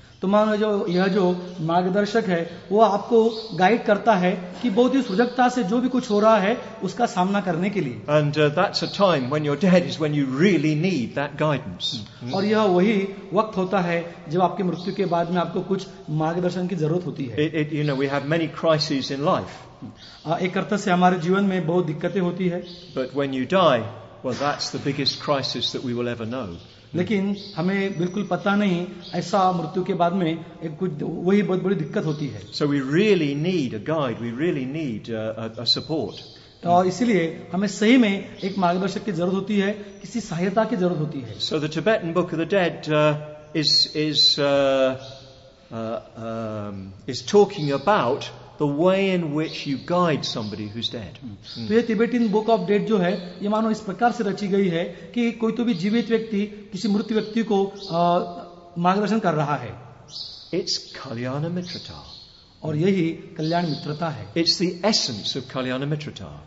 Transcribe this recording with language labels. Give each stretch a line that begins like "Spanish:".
Hindi: तो मानो जो यह जो मार्गदर्शक है वो आपको गाइड करता है कि बहुत ही सजगता से जो भी कुछ हो रहा है उसका सामना करने के लिए.
English: And that's a time when you're dead is when you really need that guidance.
Hindi: और यह वही वक्त होता है जब आपकी मृत्यु के बाद में आपको कुछ मार्गदर्शन की जरूरत होती है.
English: You know, we have many crises in life.
Hindi: एक अर्थ से हमारे जीवन में बहुत दिक्कतें होती है.
English: But when you die, well, that's the biggest crisis that we will ever know.
Hindi: लेकिन हमें बिल्कुल पता नहीं ऐसा मृत्यु के बाद में एक कुछ वही बहुत बड़ी दिक्कत होती है.
English: So we really need a guide, we really need a support.
Hindi: तो इसलिए हमें सही में एक मार्गदर्शक की जरूरत होती है, किसी सहायता की जरूरत होती है.
English: So the Tibetan Book of the Dead is talking about the way in which you guide somebody who's dead.
Hindi: तो ये तिब्बतीन बुक ऑफ डेड जो है ये मानो इस प्रकार से रची गई है कि कोई तो भी जीवित व्यक्ति किसी मृत व्यक्ति को मार्गदर्शन कर रहा है.
English: It's kalyana mitrata.
Hindi: और यही कल्याण मित्रता है.
English: It's the essence of kalyana mitrata.